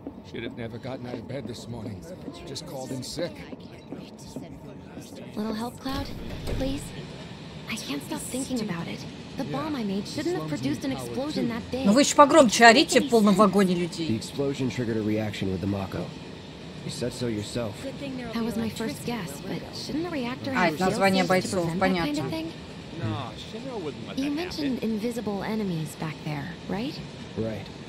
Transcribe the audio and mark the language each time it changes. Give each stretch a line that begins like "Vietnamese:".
English: Should have never gotten out of bed this morning. Just called in sick. Little help, Cloud? Please? I can't stop thinking about it. The bomb I made shouldn't have produced an explosion that day.
Russian: Ну вы еще погромче орите в полном вагоне людей.
English: The explosion triggered a reaction with the Mako. You said so yourself. That was my first guess, but shouldn't the reactor have failed to prevent that kind of thing? You mentioned invisible enemies back there, right? Right.